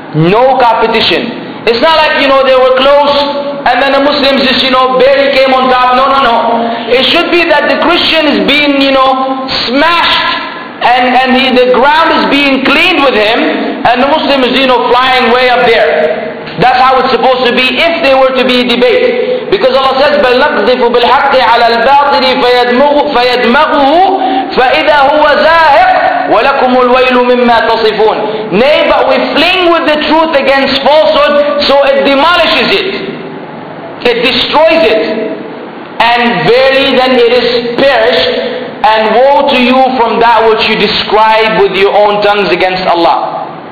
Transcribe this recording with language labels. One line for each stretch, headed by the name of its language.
English: No competition. It's not like, you know, they were close and then the Muslims just, you know, barely came on top. No, no, no. It should be that the Christian is being, you know, smashed and he, the ground is being cleaned with him and the Muslim is, you know, flying way up there. That's how it's supposed to be if there were to be a debate. Because Allah says,
Arabic: بَلْ نَقْذِفُ بِالْحَقِّ عَلَى الْبَاطِلِ فَيَدْمَغُهُ فَإِذَا هُوَ زَاهِقٌ وَلَكُمُ الْوَيْلُ مِمَّا تَصِفُونَ.
English: Nay, but we fling with the truth against falsehood, so it demolishes it. It destroys it. And verily then it is perished. And woe to you from that which you describe with your own tongues against Allah.